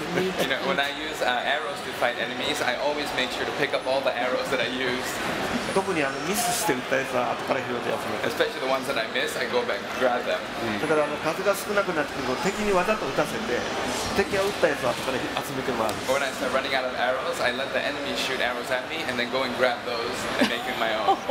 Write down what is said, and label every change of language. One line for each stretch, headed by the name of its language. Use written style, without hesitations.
English: You know, when I use arrows to fight enemies, I always make sure to pick up all the arrows that I use.
Japanese: 特にミスして撃ったやつは後から拾ってやつも。
English: Especially the ones that I miss, I go back and grab them.
Japanese: だから数が少なくなってくると敵にわざと撃たせて、敵が撃ったやつは後から集めて回る。
English: When I start running out of arrows, I let the enemy shoot arrows at me and then go and grab those and make it my own.